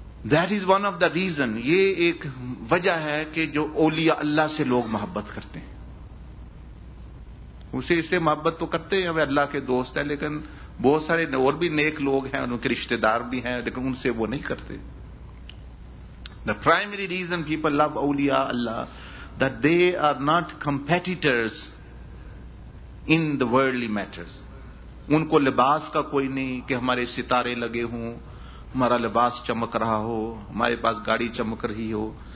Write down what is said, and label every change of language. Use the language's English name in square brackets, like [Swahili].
[English] that is one of the reason, [Urdu] یہ ایک وجہ ہے کہ جو اولیاء اللہ سے لوگ محبت کرتے ہیں. اسے اس سے محبت تو کرتے ہیں, اللہ کے دوست ہیں, لیکن بہت سارے اور بھی نیک لوگ ہیں, ان کے رشتہ دار بھی ہیں, لیکن ان سے وہ نہیں کرتے. [English] The primary reason people love اولیاء اللہ, that they are not competitors in the worldly matters. [Urdu] ان کو لباس کا کوئی نہیں کہ ہمارے ستارے لگے ہوں، ہمارا لباس چمک رہا ہو، ہمارے پاس گاڑی چمک رہی ہو.